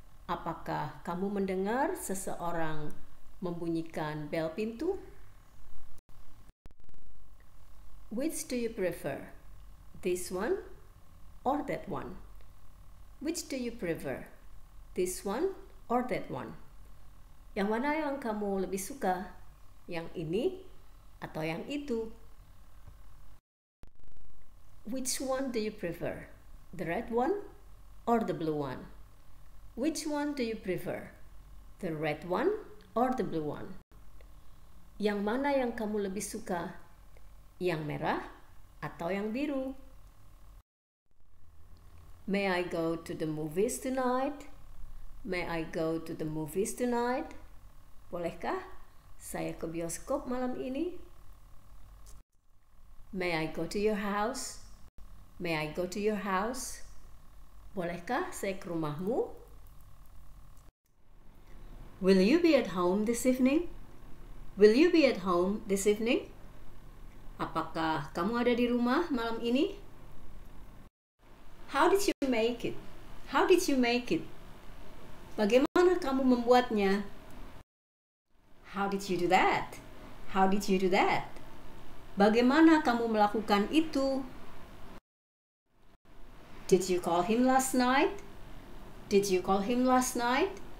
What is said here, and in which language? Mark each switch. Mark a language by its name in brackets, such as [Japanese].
[Indonesian] Apakah kamu mendengar seseorang membunyikan bel pintu? [English] Which do you prefer? This one or that one? Which do you prefer? This one or that one? [Indonesian] Yang mana yang kamu lebih suka? Yang ini atau yang itu? [English] Which one do you prefer? The red one or the blue one? Which one do you prefer? The red one or the blue one? [Indonesian] Yang mana yang kamu lebih suka? Yang merah atau yang biru? [English] May I go to the movies tonight? May I go to the movies tonight? [Indonesian] Bolehkah saya ke bioskop malam ini? [English] May I go to your house? May I go to your house? [Indonesian] Bolehkah saya ke rumahmu? [English] Will you be at home this evening? Will you be at home this evening? [Indonesian] Apakah kamu ada di rumah malam ini? [English] How did you make it? How did you make it? [Indonesian] Bagaimana kamu membuatnya? [English] How did you do that? How did you do that? [Indonesian] Bagaimana kamu melakukan itu? [English] Did you call him last night? Did you call him last night?